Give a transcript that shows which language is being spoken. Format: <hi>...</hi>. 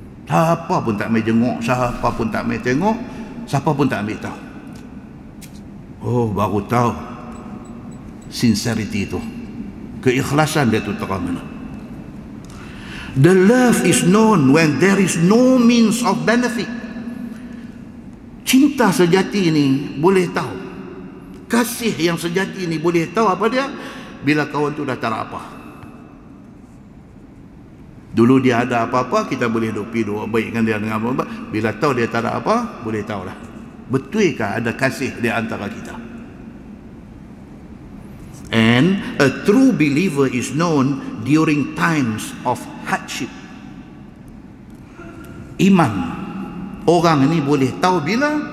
<ms>Siapa pun tak mai jenguk, siapa pun tak mai tengok, siapa pun tak ambil tahu. Baru tahu sincerity itu, keikhlasan dia tu terang mana.</ms> <en>The love is known when there is no means of benefit.</en> <ms>Cinta sejati ini boleh tahu, kasih yang sejati ini boleh tahu apa dia, bila kawan tu dah tak ada apa. Dulu dia ada apa-apa, kita boleh dupi dua baikkan dia dengan apa-apa. Bila tahu dia tak ada apa, boleh tahulah. Betulkah ada kasih di antara kita?</ms> <en>And a true believer is known during times of hardship.</en> <ms>Iman, orang ini boleh tahu bila?</ms>